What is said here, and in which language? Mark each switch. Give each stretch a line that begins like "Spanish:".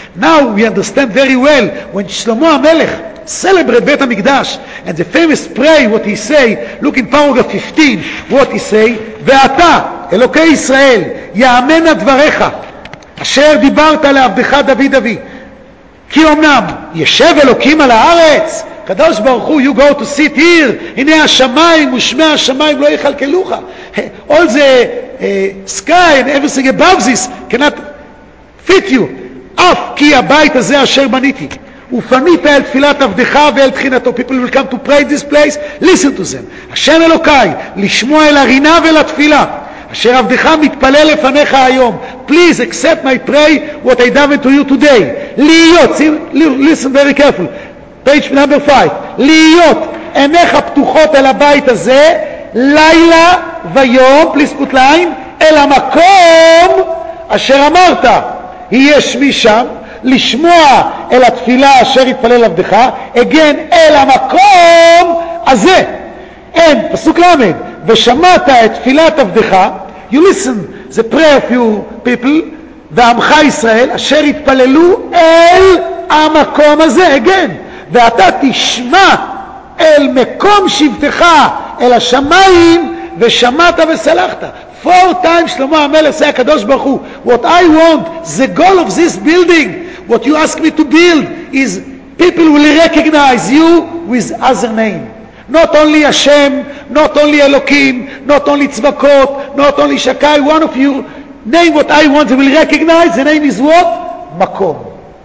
English: Now we understand very well, when Shlomo HaMelech celebrate Beit HaMikdash, and the famous prayer, what he say, look in paragraph 15, what he say,
Hebrew: Ve'ata, Elokei Israel, Ya'amen HaDvarecha, אשר דיברת לעבדך דוד אבי, כי אמנם ישב אלוקים על הארץ, קדוש ברוך הוא,
English: you go to sit here,
Hebrew: הנה השמיים ושמי השמיים לא יכלכלוך.
English: All the sky and everything above this cannot fit you,
Hebrew: אף כי הבית הזה אשר בניתי, ופנית אל תפילת עבדך ואל תחינתו.
English: People will come to pray in this place, listen to them.
Hebrew: השם אלוקיי, לשמוע אל הרינה ולתפילה, אשר עבדך מתפלל לפניך היום.
English: Please accept my prayer, what I done to you today.
Hebrew: להיות,
English: listen very careful. Page number 5.
Hebrew: להיות עיניך פתוחות אל הבית הזה, לילה ויום,
English: please put line,
Hebrew: אל המקום אשר אמרת, יהיה שמי שם, לשמוע אל התפילה אשר יתפלל עבדך, again, אל המקום הזה. אין, פסוק למד. ושמעת את תפילת עבדך,
English: you listen the prayer of your people,
Hebrew: ועמך ישראל, אשר יתפללו אל המקום הזה, again, ואתה תשמע אל מקום שבטך, אל השמיים, ושמעת וסלחת.
English: Four times,
Hebrew: שלמה המלך, זה הקדוש ברוך הוא,
English: what I want, the goal of this building, what you ask me to build, is people will recognize you with other name. Not only Hashem, not only Elohim, not only Tzvakot, not only Shakai, one of you, name what I want, you will recognize, the name is what? Makom.